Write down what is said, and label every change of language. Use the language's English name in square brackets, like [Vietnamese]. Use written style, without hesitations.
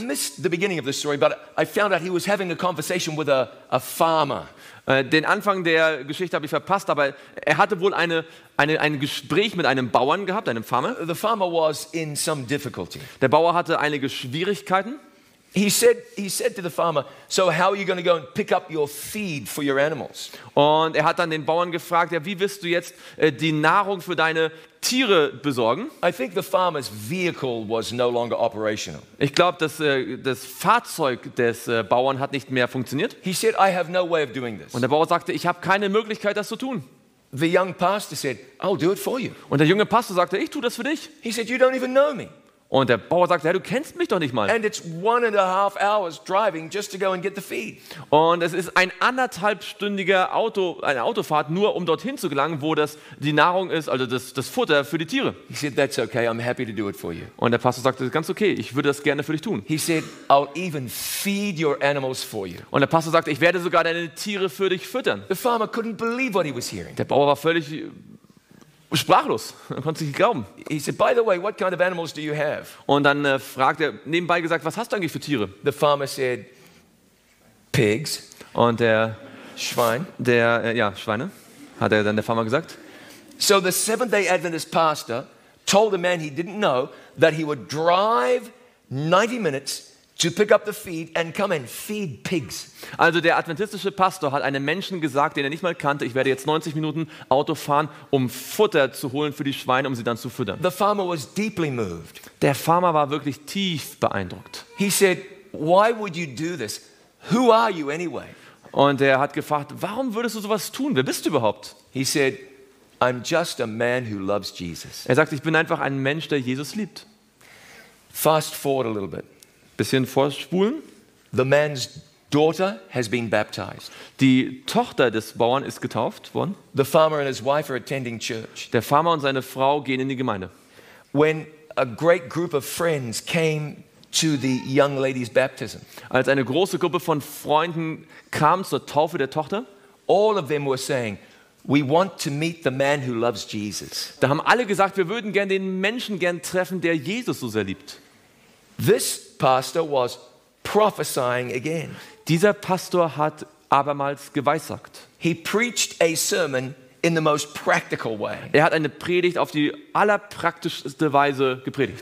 [English] I missed the beginning of the story, but I found out he was having a conversation with a farmer. [German] Den Anfang der Geschichte habe ich verpasst, aber er hatte wohl ein Gespräch mit einem Bauern gehabt, einem Farmer. [English] The farmer was in some difficulty. [German] Der Bauer hatte einige Schwierigkeiten. [English] He said to the farmer, so how are you going to go and pick up your feed for your animals? [German] Und er hat dann den Bauern gefragt, ja, wie wirst du jetzt die Nahrung für deine Tiere besorgen? [English] I think the farmer's vehicle was no longer operational. [German] Ich glaube, das Fahrzeug des Bauern hat nicht mehr funktioniert. [English] He said, I have no way of doing this. [German] Und der Bauer sagte, ich habe keine Möglichkeit, das zu tun. [English] The young pastor said, I'll do it for you. [German] Und der junge Pastor sagte, ich tue das für dich. [English] He said, you don't even know me. [German] Und der Bauer sagt, hey, du kennst mich doch nicht mal. [English] And it's 1.5 hours driving just to go and get the feed. [German] Und es ist ein anderthalbstündiger Auto, eine Autofahrt, nur um dorthin zu gelangen, wo das die Nahrung ist, also das Futter für die Tiere. [English] He said, that's okay, I'm happy to do it for you. [German] Und der Pastor sagte, ganz okay, ich würde das gerne für dich tun. [English] He said, I'll even feed your animals for you. [German] Und der Pastor sagte, ich werde sogar deine Tiere für dich füttern. [English] The farmer couldn't believe what he was hearing. [German] Der Bauer war völlig sprachlos, man konnte sich nicht glauben. [English] He said, by the way, what kind of animals do you have? [German] Und dann fragt er nebenbei gesagt, was hast du eigentlich für Tiere? [English] The farmer said, pigs. [German] Und der Schwein. Der Schweine, hat er dann der Farmer gesagt. [English] So the Seventh-day Adventist pastor told a man he didn't know that he would drive 90 minutes to pick up the feed and come and feed pigs. [German] Also der adventistische Pastor hat einem Menschen gesagt, den er nicht mal kannte, ich werde jetzt 90 Minuten Auto fahren, um Futter zu holen für die Schweine, um sie dann zu füttern. [English] The farmer was deeply moved. [German] Der Farmer war wirklich tief beeindruckt. [English] He said, "Why would you do this? Who are you anyway?" [German] Und er hat gefragt, warum würdest du sowas tun? Wer bist du überhaupt? [English] He said, "I'm just a man who loves Jesus." [German] Er sagt, ich bin einfach ein Mensch, der Jesus liebt. [English] Fast forward a little bit. [German] Bisschen vorspulen. [English] The man's daughter has been baptized. [German] Die Tochter des Bauern ist getauft worden. [English] The farmer and his wife are attending church. [German] Der Farmer und seine Frau gehen in die Gemeinde. [English] When a great group of friends came to the young lady's baptism. [German] Als eine große Gruppe von Freunden kam zur Taufe der Tochter, [English] all of them were saying, "We want to meet the man who loves Jesus." [German] Da haben alle gesagt, wir würden gern den Menschen gern treffen, der Jesus so sehr liebt. [English] This pastor was prophesying again. [German] Dieser Pastor hat abermals geweissagt. [English] He preached a sermon in the most practical way. [German] Er hat eine Predigt auf die allerpraktischste Weise gepredigt.